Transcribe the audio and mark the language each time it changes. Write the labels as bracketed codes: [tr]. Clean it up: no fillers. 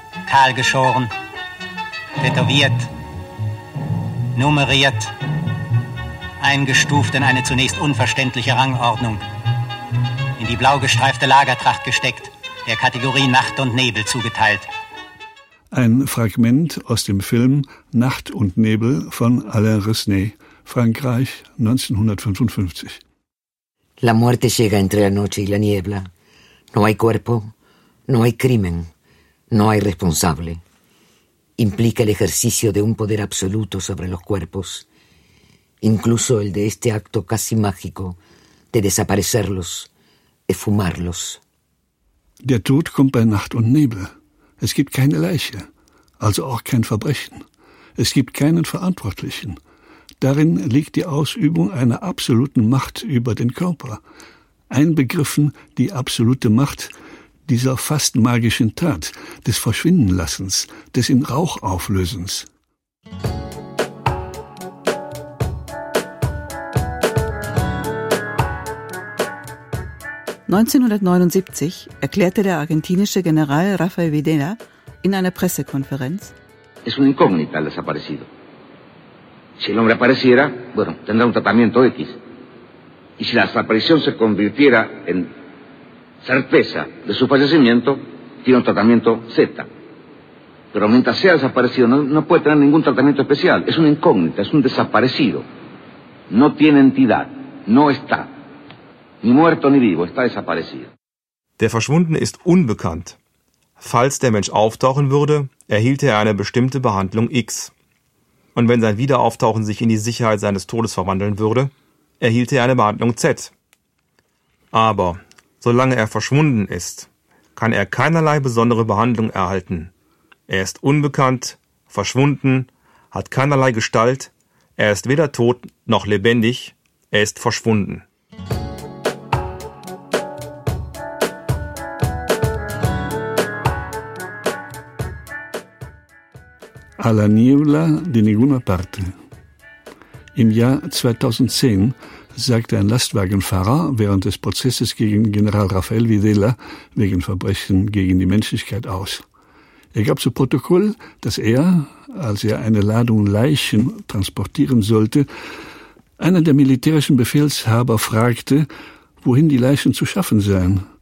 [de] Kahlgeschoren, tätowiert, nummeriert, eingestuft in eine zunächst unverständliche Rangordnung, in die blau gestreifte Lagertracht gesteckt, der Kategorie Nacht und Nebel zugeteilt. Ein Fragment aus dem Film Nacht und Nebel von Alain Resnais, Frankreich, 1955. [es] La muerte llega entre la noche y la niebla. No hay cuerpo, no hay crimen, no hay responsable. Implica el ejercicio de un poder absoluto sobre los cuerpos, incluso el de este acto casi mágico de desaparecerlos, esfumarlos. [de] Der Tod kommt bei Nacht und Nebel. Es gibt keine Leiche, also auch kein Verbrechen. Es gibt keinen Verantwortlichen. Darin liegt die Ausübung einer absoluten Macht über den Körper. Einbegriffen die absolute Macht dieser fast magischen Tat, des Verschwindenlassens, des in Rauch Auflösens. ...1979 erklärte der argentinische General Rafael Videla in einer Pressekonferenz: [es] Es una incógnita el desaparecido. Si el hombre apareciera, bueno, tendrá un tratamiento X. Y si la desaparición se convirtiera en certeza de su fallecimiento, tiene un tratamiento Z. Pero mientras sea desaparecido, no puede tener ningún tratamiento especial. Es una incógnita, es un desaparecido. No tiene entidad, no está. Ni muerto ni vivo, está desaparecido. [de] Der Verschwundene ist unbekannt. Falls der Mensch auftauchen würde, erhielte er eine bestimmte Behandlung X. Und wenn sein Wiederauftauchen sich in die Sicherheit seines Todes verwandeln würde, erhielte er eine Behandlung Z. Aber solange er verschwunden ist, kann er keinerlei besondere Behandlung erhalten. Er ist unbekannt, verschwunden, hat keinerlei Gestalt, er ist weder tot noch lebendig, er ist verschwunden. [es] A la niebla de ninguna parte. [de] Im Jahr 2010 sagte ein Lastwagenfahrer während des Prozesses gegen General Rafael Videla wegen Verbrechen gegen die Menschlichkeit aus. Er gab zu Protokoll, dass er, als er eine Ladung Leichen transportieren sollte, einer der militärischen Befehlshaber fragte, wohin die Leichen zu schaffen seien.